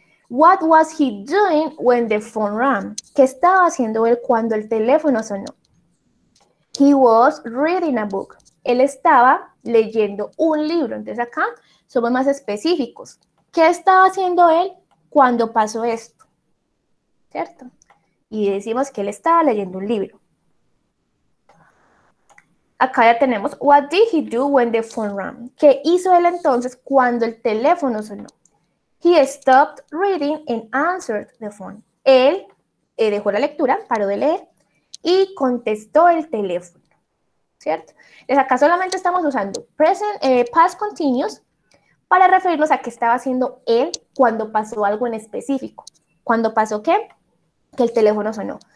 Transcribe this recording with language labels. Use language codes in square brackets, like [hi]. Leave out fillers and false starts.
[en] What was he doing when the phone rang? [es] ¿Qué estaba haciendo él cuando el teléfono sonó? [en] He was reading a book. [es] Él estaba leyendo un libro. Entonces acá somos más específicos. ¿Qué estaba haciendo él cuando pasó esto? ¿Cierto? Y decimos que él estaba leyendo un libro. Acá ya tenemos, [en] what did he do when the phone rang? [es] ¿Qué hizo él entonces cuando el teléfono sonó? [en] He stopped reading and answered the phone. [es] Él dejó la lectura, paró de leer y contestó el teléfono. ¿Cierto? Entonces acá solamente estamos usando past continuous para referirnos a qué estaba haciendo él cuando pasó algo en específico. ¿Cuándo pasó qué? Que el teléfono sonó.